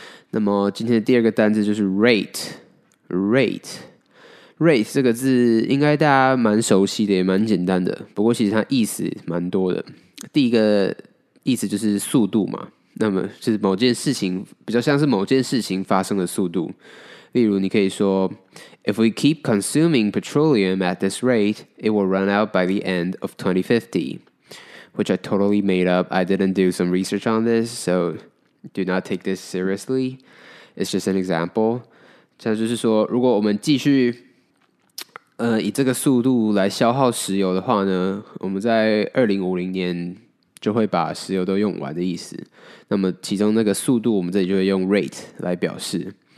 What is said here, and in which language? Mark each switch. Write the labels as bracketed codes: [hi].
[zh] 那么今天的第二个单字就是 rate 这个字应该大家蛮熟悉的，也蛮简单的，不过其实它意思蛮多的。第一个意思就是速度嘛，那么就是某件事情，比较像是某件事情发生的速度。例如你可以说 [en] If we keep consuming petroleum at this rate, it will run out by the end of 2050. Which I totally made up. I didn't do some research on this, so do not take this seriously. It's just an example. [zh] 这就是说如果我们继续以这个速度来消耗石油的话呢，我们在2050年就会把石油都用完的意思。那么其中那个速度我们这里就会用 rate 来表示。